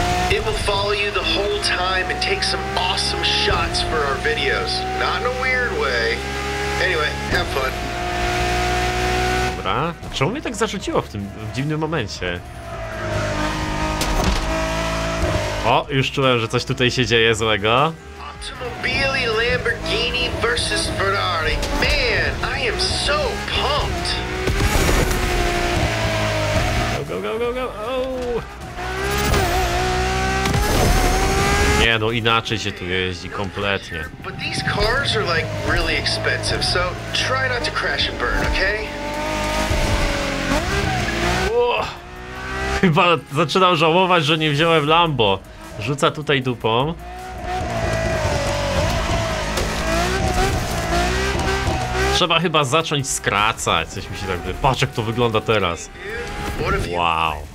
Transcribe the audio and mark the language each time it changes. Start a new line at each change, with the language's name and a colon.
English: It will follow you the whole time and take some awesome shots for our videos. Not in a weird way. Anyway, have fun.
Polish: Dobra, czemu mnie tak zarzuciło w dziwnym momencie? O, już czułem, że coś tutaj się dzieje złego.
English: Automobili Lamborghini versus Ferrari. Man, I am so pumped. Go, go, go, go, go. Oh.
Polish: Nie, no inaczej się tu jeździ kompletnie.
English: But these cars are like really expensive, so try not to crash and burn, okay?
Polish: Chyba zaczynam żałować, że nie wziąłem Lambo. Rzuca tutaj dupą. Trzeba chyba zacząć skracać, coś mi się tak wydaje. Patrz, jak to wygląda teraz. Wow.